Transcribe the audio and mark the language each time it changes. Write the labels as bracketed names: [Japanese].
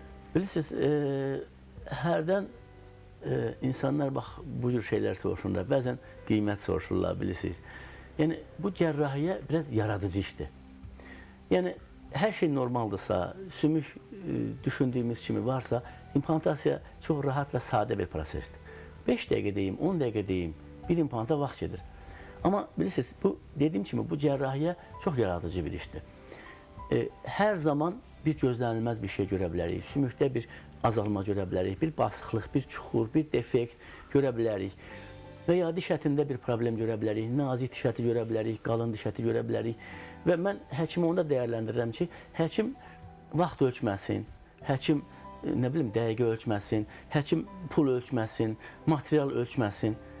[Azerbaijani] Bilirsiniz, hərdən insanlar bax, bu cür şeylər soruşurlar, bəzən qiymət soruşurlar, bilirsiniz. Yəni, bu cərrahiyyə biraz yaradıcı işdir. Yəni, hər şey normaldırsa, sümük düşündüyümüz kimi varsa, implantasiya çox rahat və sadə bir prosesdir. 5 dəqiqə deyim, 10 dəqiqə deyim, bir implanta vaxt gedir. [Turkish] Ama bilirsiniz, bu dediğim gibi bu cerrahiye çok yaratıcı bir işti. Her zaman bir gözlenilmez bir şey görebiliriz. Sümükte bir azalma görebiliriz, bir basıklık, bir çukur, bir defekt görebiliriz. [Azerbaijani] Veya diş ətində bir problem görə bilərik, nazik diş əti görə bilərik, qalın diş əti görə bilərik. Və mən həkimi onda dəyərləndirirəm ki, həkim vaxt ölçməsin, həkim nə bilim dəqiqə ölçməsin, həkim pul ölçməsin, material ölçməsin.